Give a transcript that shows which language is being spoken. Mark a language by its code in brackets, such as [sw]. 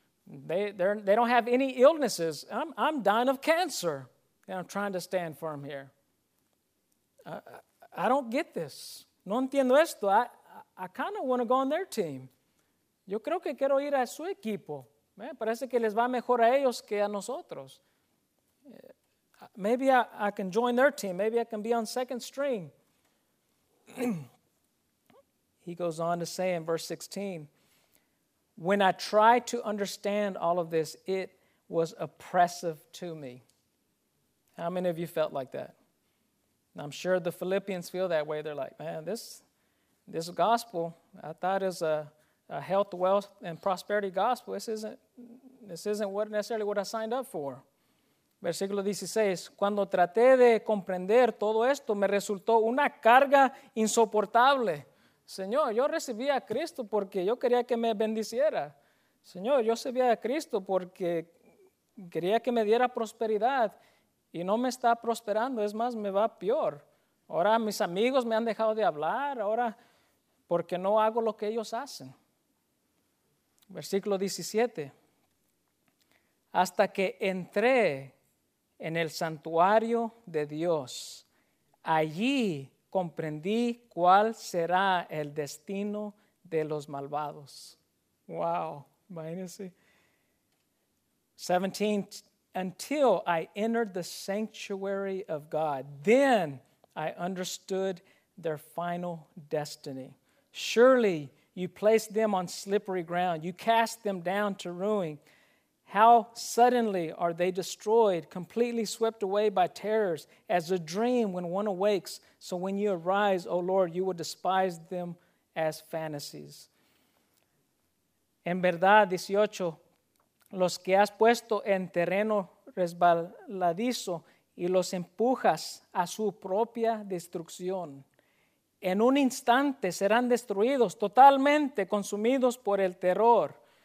[en] They don't have any illnesses. I'm dying of cancer, and I'm trying to stand firm here. I don't get this. [es] No entiendo esto. [en] I kind of want to go on their team. [es] Yo creo que quiero ir a su equipo. Me parece que les va mejor a ellos que a nosotros. [en] Maybe I can join their team. Maybe I can be on second string. He goes on to say in verse 16, when I tried to understand all of this, it was oppressive to me. How many of you felt like that? And I'm sure the Philippians feel that way. They're like, man, this gospel, I thought is a health, wealth, and prosperity gospel. This isn't, This isn't what necessarily what I signed up for. [es] Versículo 16. Cuando traté de comprender todo esto, me resultó una carga insoportable. Señor, yo recibí a Cristo porque yo quería que me bendiciera. Señor, yo recibí a Cristo porque quería que me diera prosperidad y no me está prosperando. Es más, me va peor. Ahora mis amigos me han dejado de hablar. Ahora, porque no hago lo que ellos hacen. Versículo 17. Hasta que entré en el santuario de Dios, allí comprendí cuál será el destino de los malvados. Wow, imagínense. [en] 17, until I entered the sanctuary of God, then I understood their final destiny. Surely you placed them on slippery ground. You cast them down to ruin. How suddenly are they destroyed, completely swept away by terrors, as a dream when one awakes. So when you arise, O Lord, you will despise them as fantasies. [es] En verdad, 18, los que has puesto en terreno resbaladizo y los empujas a su propia destrucción. En un instante serán destruidos, totalmente consumidos por el terror.